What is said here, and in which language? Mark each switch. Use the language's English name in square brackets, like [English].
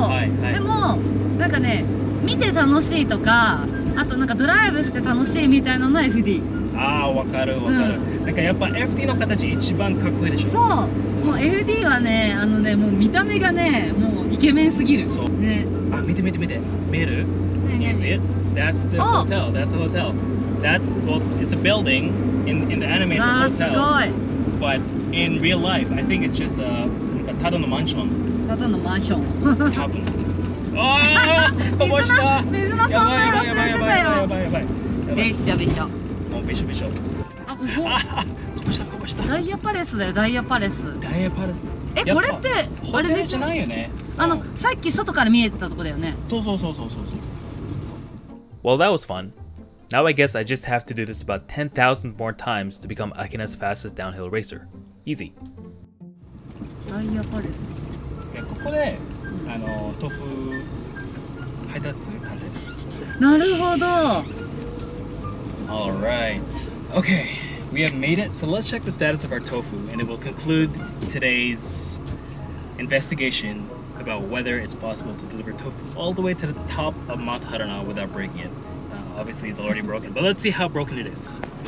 [Japanese] そう、はいはい、でもなんかね見て楽しいとかあとなんかドライブして楽しいみたいなのは FD ああ、わかるわかる、なんかやっぱ FD の形一番かっこいいでしょそうもう FD はね、あのね、もう見た目がね、もうイケメンすぎるそう、ね、あ、見て見て見て見える、ね、 [English] Can you see it? That's the hotel, that's the hotel That's, well, it's a building in the anime, it's a hotel [Japanese] すごい [English] But in real life, I think it's just a [Japanese] なんかただのマンションただのマンション多分あー、こぼした水の存在忘れてたよやばいやばいやばいやばいやばいやばいびしょびしょもうびしょびしょあ、こここぼしたこぼしたダイヤパレスだよ、ダイヤパレスダイヤパレスえ、これってホテルじゃないよねあの、さっき外から見えてたとこだよねそうそうそうそうそうそう [English] Well, that was fun Now I guess I just have to do this about 10,000 more times to become Akina's fastest downhill racer Easy [Japanese] ダイヤパレスいや、ここで、あの、豆腐配達する完成ですなるほど [English] All right. Okay, we have made it. So let's check the status of our tofu and it will conclude today's investigation about whether it's possible to deliver tofu all the way to the top of Mount Harana without breaking it. Obviously, it's already broken, but let's see how broken it is.